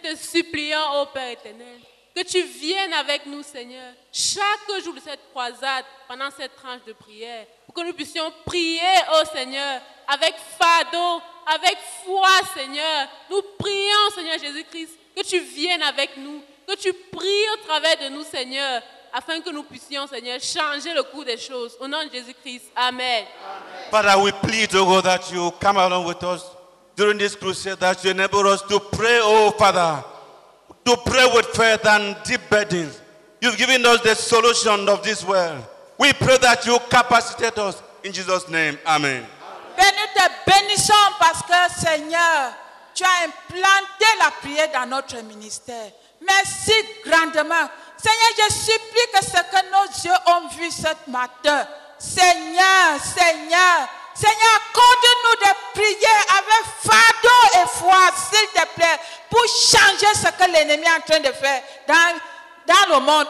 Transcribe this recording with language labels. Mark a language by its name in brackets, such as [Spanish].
[French] Seigneur, te suppliant, ô Père éternel, que tu viennes avec nous, Seigneur, chaque jour de cette croisade, pendant cette tranche de prière, pour que nous puissions prier, ô Seigneur, avec fardeau, avec foi, Seigneur. Nous prions, Seigneur Jésus-Christ, que tu viennes avec nous, que tu pries au travers de nous, Seigneur, afin que nous puissions, Seigneur, changer le cours des choses. Au nom de Jésus-Christ, amen. [English] Father, we plead, O God, that you come along with us during this crusade, that you enable us to pray, oh Father, to pray with faith and deep burdens. You've given us the solution of this world. We pray that you capacitate us in Jesus' name. Amen. [French] Père, nous te bénissons parce que, Seigneur, tu as implanté la prière dans notre ministère. Merci grandement. Seigneur, je supplie que ce que nos yeux ont vu ce matin, Seigneur, Seigneur, Seigneur, accorde-nous de prier avec fardeau et foi, s'il te plaît, pour changer ce que l'ennemi est en train de faire dans le monde.